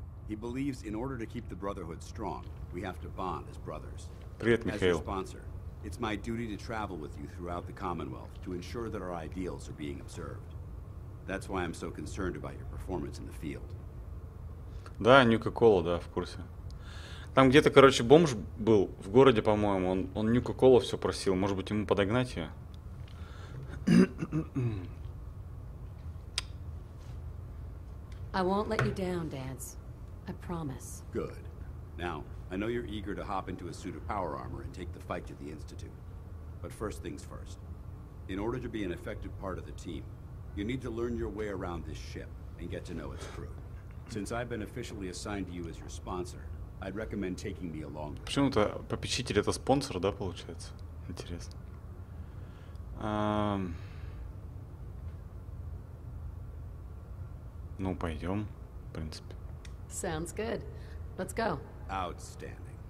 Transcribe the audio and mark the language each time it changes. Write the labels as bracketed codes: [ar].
[en] He believes in order to keep the Brotherhood strong, we have to bond as brothers. [ru] Привет, Михаил. [en] As your sponsor, it's my duty to travel with you throughout the Commonwealth to ensure that our ideals are being observed. That's why I'm so concerned about your performance in the field. [ru] Да, Нюка-Кола, да, в курсе. Там где-то, короче, бомж был в городе, по-моему. Он Нюка-Кола все просил. Может быть, ему подогнать ее? [en] I won't let you down, Dance. I promise. Good. Now, I know you're eager to hop into a suit of power armor and take the fight to the Institute. But first things first. In order to be an effective part of the team, you need to learn your way around this ship and get to know its crew. Since I've been officially assigned to you as your sponsor, I'd recommend taking me along. [ru] Почему-то попечитель это спонсор, да, получается? Интересно. Ну, пойдем, в принципе. [en] Sounds good. Let's go. Outstanding.